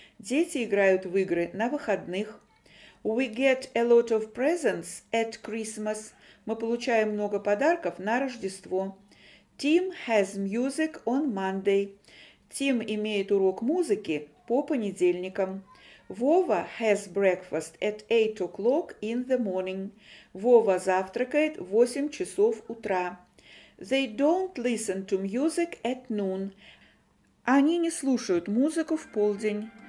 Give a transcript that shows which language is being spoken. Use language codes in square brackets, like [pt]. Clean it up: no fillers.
[ru] Дети играют в игры на выходных. [en] We get a lot of presents at Christmas. [ru] Мы получаем много подарков на Рождество. [en] Tim has music on Monday. [ru] Тим имеет урок музыки по понедельникам. [en] Вова has breakfast at 8 o'clock in the morning. [ru] Вова завтракает в 8 часов утра. [en] They don't listen to music at noon. [ru] Они не слушают музыку в полдень.